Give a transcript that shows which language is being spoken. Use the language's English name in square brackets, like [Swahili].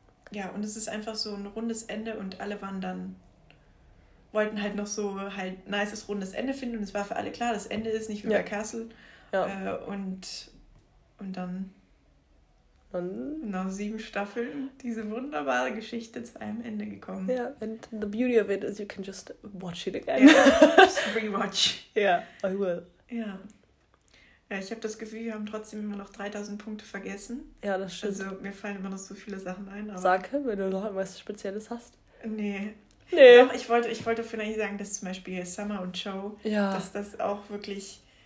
[German] Ja, und es ist einfach so ein rundes Ende und alle waren dann... wollten halt noch so halt nices rundes Ende finden und es war für alle klar, das Ende ist nicht wie ja, bei Castle. Ja. Und dann und? Nach 7 Staffeln diese wunderbare Geschichte zu einem Ende gekommen. [English] Ja, and the beauty of it is you can just watch it again. Ja, just rewatch. Yeah, I will. [German] Ja. Ja, ich habe das Gefühl, wir haben trotzdem immer noch 3000 Punkte vergessen. Ja, das stimmt. Also mir fallen immer noch so viele Sachen ein. Aber sag, wenn du noch was Spezielles hast. Nee. Doch, ich wollte vielleicht sagen, dass zum Beispiel Summer und Joe, ja, dass das auch wirklich...